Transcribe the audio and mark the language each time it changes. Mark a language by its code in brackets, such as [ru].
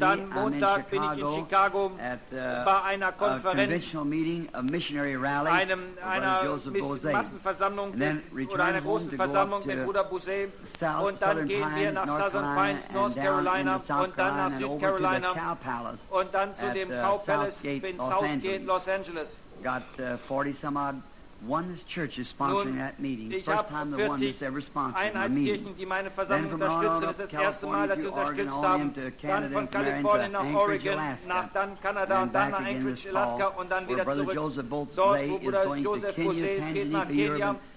[de] und dann Montag bin ich in Chicago bei einer Konferenz, einer Massenversammlung oder einer großen Versammlung mit Bruder Bousset. Und dann gehen wir nach Southern Pines, North Carolina, und dann nach South Carolina, und dann zu dem Cow Palace in Southgate, Los Angeles. [en] Got 40 some odd Oneness Church is sponsoring that meeting. [de] Ich habe 40 Einheitskirchen, die meine Versammlung unterstützen. Das ist das erste Mal, dass sie unterstützt haben. Dann von Kalifornien nach Oregon, nach dann Kanada und dann nach Anchorage, Alaska und dann wieder zurück. Dort, wo Bruder Joseph Bousset ist, geht nach Kenia,